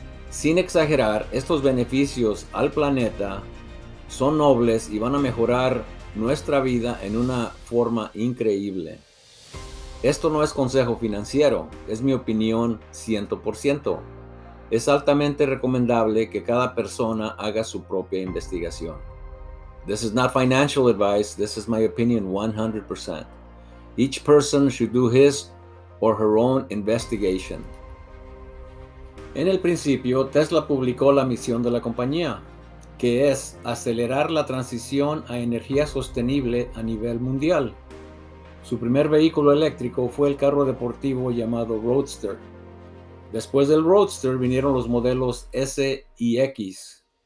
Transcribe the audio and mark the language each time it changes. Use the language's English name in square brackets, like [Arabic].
[Spanish] Sin exagerar, estos beneficios al planeta son nobles y van a mejorar nuestra vida en una forma increíble. Esto no es consejo financiero, es mi opinión 100%. Es altamente recomendable que cada persona haga su propia investigación. [English] This is not financial advice, this is my opinion 100%. Each person should do his or her own investigation. [Spanish] En el principio, Tesla publicó la misión de la compañía, que es acelerar la transición a energía sostenible a nivel mundial. Su primer vehículo eléctrico fue el carro deportivo llamado Roadster. Después del Roadster vinieron los modelos S y X.